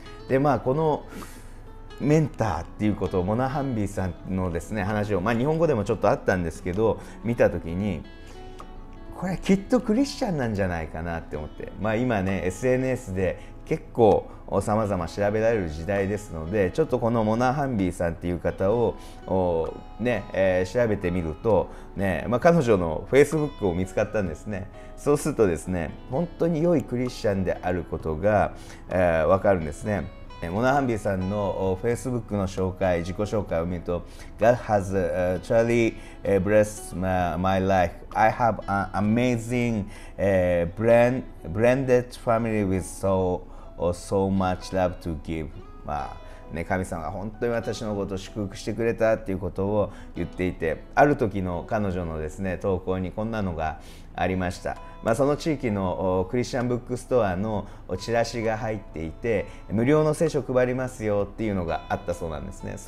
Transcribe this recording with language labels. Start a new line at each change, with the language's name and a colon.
Japanese: で、まあこのメンターっていうことをモナ・ハンビーさんのですね話を、まあ、日本語でもちょっとあったんですけど見た時にこれきっとクリスチャンなんじゃないかなって思って、まあ、今ね SNS で結構さまざま調べられる時代ですので、ちょっとこのモナ・ハンビーさんっていう方を、ね調べてみると、ね彼女の Facebook を見つかったんですね。そうするとですね本当に良いクリスチャンであることが、分かるんですね。モナ・ハンビーさんの Facebook の紹介、自己紹介を見ると God has truly blessed my life.
English: I have an amazing blended family with so much love to give.
Japanese: まあ、ね、神様が本当に私のことを祝福してくれたということを言っていて、ある時の彼女のですね投稿にこんなのがありました。まあ、その地域のクリスチャンブックストアのチラシが入っていて無料の聖書を配りますよっていうのがあったそうなんですね。